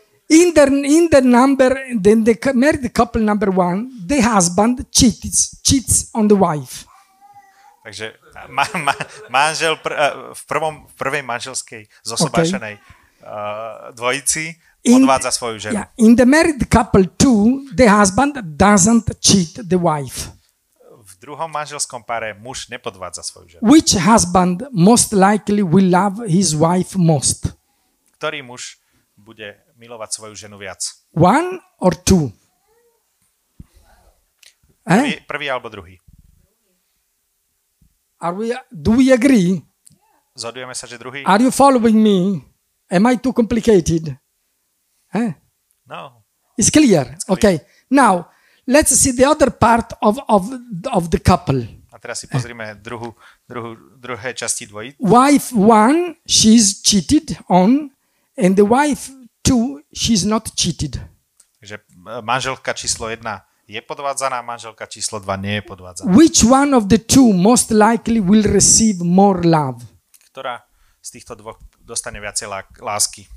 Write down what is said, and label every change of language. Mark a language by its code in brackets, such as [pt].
[en] In the married couple number one, the husband cheats on the wife. [sk] Takže manžel v prvej manželskej zosobášenej dvojici odvádza svoju ženu. [en] Yeah, in the married couple two, the husband doesn't cheat the wife. [sk] V druhom manželskom páre muž nepodvádza svoju ženu. [en] Which husband most likely will love his wife most? [sk] Ktorý muž bude milovať svoju ženu viac? [en] One or two? [sk] Prvý alebo druhý? [en] Do we agree? [sk] Zhodujeme sa, že druhý? [en] Are you following me? Am I too complicated? No. It's clear. It's clear. Okay. Now, let's see the other part of the couple. [sk] A teraz si pozrime druhé časti dvojice. [en] Wife one, she's cheated on, and the wife two, she's not cheated. [sk] Takže manželka číslo 1 je podvádzaná, manželka číslo 2 nie je podvádzaná. [en] Which one of the two most likely will receive more love? [sk] Ktorá z týchto dvoch dostane viacej lásky?